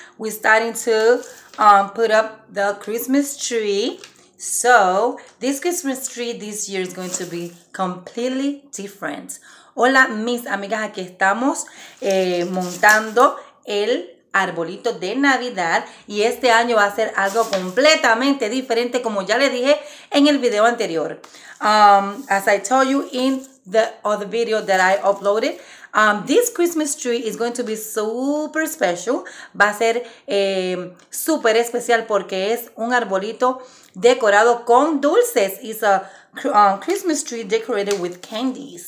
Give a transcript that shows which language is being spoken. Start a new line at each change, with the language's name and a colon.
English: We're starting to put up the Christmas tree. So this Christmas tree this year is going to be completely different.
Spanish: Hola, mis amigas, aquí estamos montando el arbolito de Navidad y este año va a ser algo completamente diferente, como ya les dije en el video anterior.
English: As I told you in the other video that I uploaded, this Christmas tree is going to be super special.
Spanish: Va a ser super especial porque es un arbolito decorado con dulces.
English: It's a Christmas tree decorated with candies.